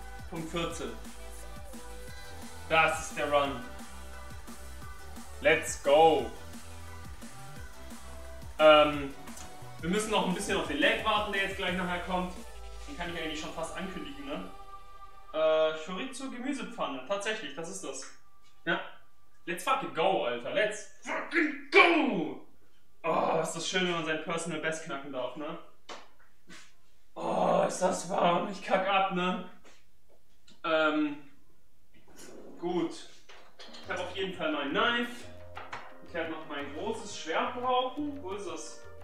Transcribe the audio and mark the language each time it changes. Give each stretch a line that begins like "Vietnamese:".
German: Punkt 14. Das ist der Run.
English: Let's go.
German: Wir müssen noch ein bisschen auf den Lag warten, der jetzt gleich nachher kommt. Den kann ich eigentlich schon fast ankündigen, ne? Chorizo Gemüsepfanne, tatsächlich, das ist das. Ja.
English: Let's fucking go, Alter, let's fucking go!
German: Oh, ist das schön, wenn man sein Personal Best knacken darf, ne? Oh, ist das warm, ich kack ab, ne? Gut. Ich hab auf jeden Fall mein Knife. Ich hab noch mein großes Schwert brauchen. Wo ist das?